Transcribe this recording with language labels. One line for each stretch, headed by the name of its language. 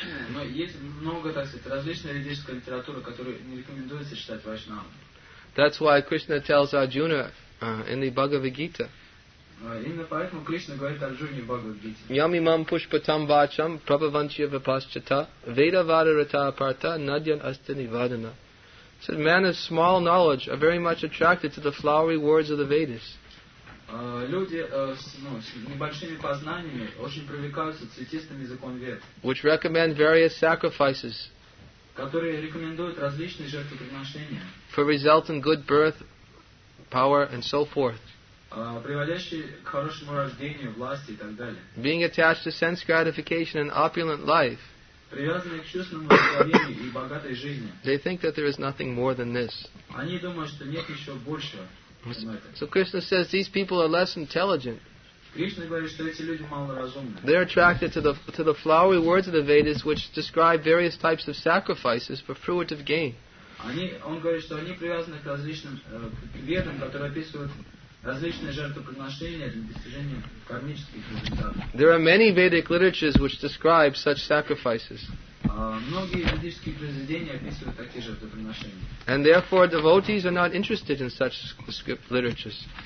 Russian: Но есть много, так сказать, различной ведической литературы, которую не рекомендуется читать Вайшнавам.
English: That's why Krishna tells Arjuna in the Bhagavad Gita.
Russian: Именно поэтому Кришна говорит Арджуне в Бхагавад Гите.
Sanskrit: Ям имам пушпатам вачам прабаванчья вапасчата веда вада рата апарта надьян астани вадана.
English: He said, men of small knowledge are very much attracted to the flowery words of the Vedas.
Russian: Люди с небольшими познаниями очень привлекаются цветистым языком Вед.
English: Which recommend various sacrifices.
Russian: Которые рекомендуют различные жертвоприношения.
English: For resultant good birth, power and so forth.
Russian: Приводящие к хорошему рождению, власти и так далее.
English: Being attached to sense gratification and opulent life.
Russian: Привязанные к чувственному удовлетворению и богатой жизни.
English: They think that there is nothing more than this.
Russian: Они думают, что нет еще большего.
English: So Krishna says these people are less intelligent.
Russian: Krishna говорит, что эти люди малоразумны.
English: They're attracted to the flowery words of the Vedas, which describe various types of sacrifices for fruitive gain.
Russian: Он говорит, что они привязаны к различным ведам, которые описывают различные жертвоприношения для достижения кармических результатов.
English: There are many Vedic literatures which describe such sacrifices. And therefore devotees are not interested in such script literatures.